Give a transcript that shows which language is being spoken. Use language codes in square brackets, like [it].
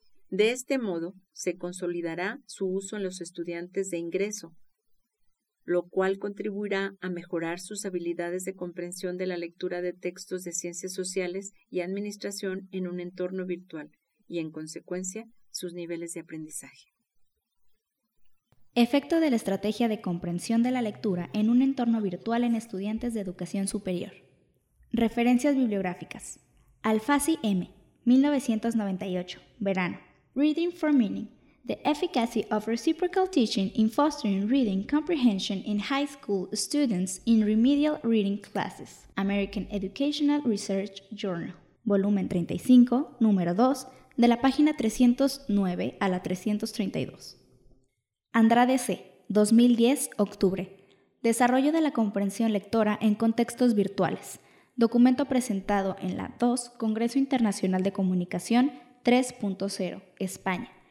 [es] De este modo, se consolidará su uso en los estudiantes de ingreso, lo cual contribuirá a mejorar sus habilidades de comprensión de la lectura de textos de ciencias sociales y administración en un entorno virtual y, en consecuencia, sus niveles de aprendizaje. Efecto de la estrategia de comprensión de la lectura en un entorno virtual en estudiantes de educación superior. Referencias bibliográficas. Alfasi M., 1998, verano. [en] Reading for Meaning: The Efficacy of Reciprocal Teaching in Fostering Reading Comprehension in High School Students in Remedial Reading Classes. American Educational Research Journal. [es] Volumen 35, número 2, de la página 309 a la 332. Andrade C., 2010, octubre. Desarrollo de la comprensión lectora en contextos virtuales. Documento presentado en la 2, Congreso Internacional de Comunicación 3.0, España.